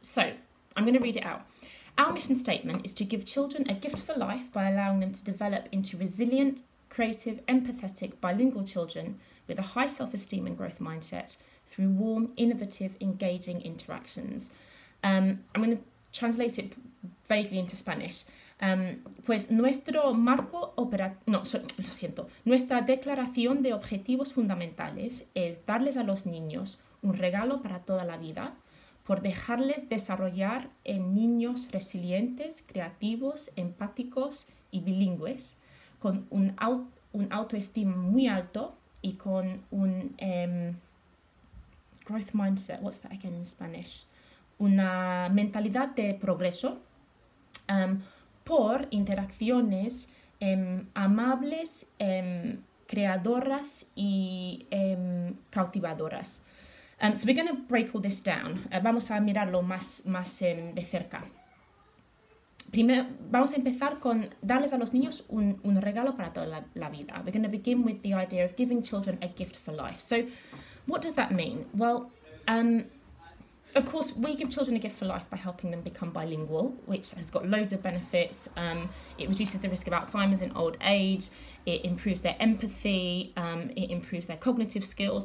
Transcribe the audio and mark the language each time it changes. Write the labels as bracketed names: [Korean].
[English] So, I'm going to read it out. Our mission statement is to give children a gift for life by allowing them to develop into resilient, creative, empathetic, bilingual children with a high self-esteem and growth mindset through warm, innovative, engaging interactions. I'm going to translate it vaguely into Spanish. [Spanish] Pues nuestro marco nuestra declaración de objetivos fundamentales es darles a los niños un regalo para toda la vida por dejarles desarrollar en niños resilientes, creativos, empáticos y bilingües con un autoestima muy alto y con un growth mindset. [English] What's that again in Spanish? [Spanish] Una mentalidad de progreso por interacciones amables, creadoras y cautivadoras. [English] So we're going to break all this down. [Spanish] Vamos a mirarlo más de cerca. Primero, vamos a empezar con darles a los niños un regalo para toda la vida. [English] We're going to begin with the idea of giving children a gift for life. So what does that mean? Well, of course, we give children a gift for life by helping them become bilingual, which has got loads of benefits. It reduces the risk of Alzheimer's in old age. It improves their empathy. It improves their cognitive skills.